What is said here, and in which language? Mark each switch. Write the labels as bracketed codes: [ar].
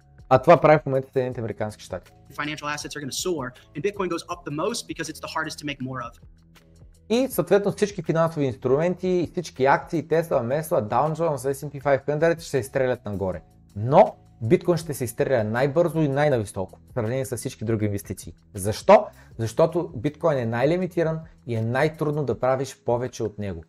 [bg] А това прави в момента Съединените американски щати. [en] Financial assets are going to soar and Bitcoin goes up the most because it's the hardest to make more of. [bg] И съответно всички финансови инструменти, всички акции, Tesla, Mesa, Dow Jones, S&P 500 ще се изстрелят нагоре. Но Биткоин ще се изстреля най-бързо и най-нависоко в сравнение с всички други инвестиции. Защо? Защото биткоин е най-лимитиран и е най-трудно да правиш повече от него.